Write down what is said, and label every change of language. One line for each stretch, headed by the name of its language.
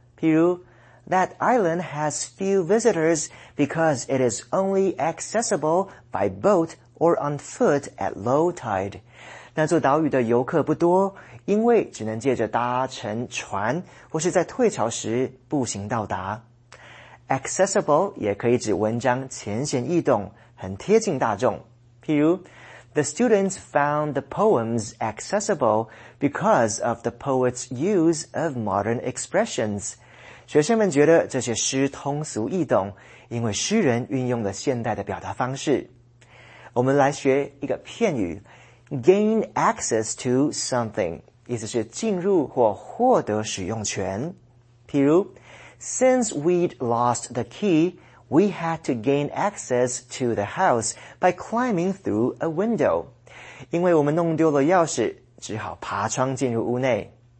Chinese: 譬如
English: ,That island has few visitors because it is only accessible by boat or on foot at low tide.
Chinese: 那座岛屿的游客不多，因为只能借着搭乘船或是在退潮时步行到达。 Accessible 也可以指文章浅显易懂，很贴近大众。譬如
English: The students found the poems accessible because of the poet's use of modern expressions.
Chinese: 学生们觉得这些诗通俗易懂，因为诗人运用了现代的表达方式。我们来学一个片语 ,
English: gain access to something,
Chinese: 意思是进入或获得使用权。譬如
English: ,since we'd lost the key,We had to gain access to the house by climbing through a window.
Chinese: 因为我们弄丢了钥匙，只好爬窗进入屋内。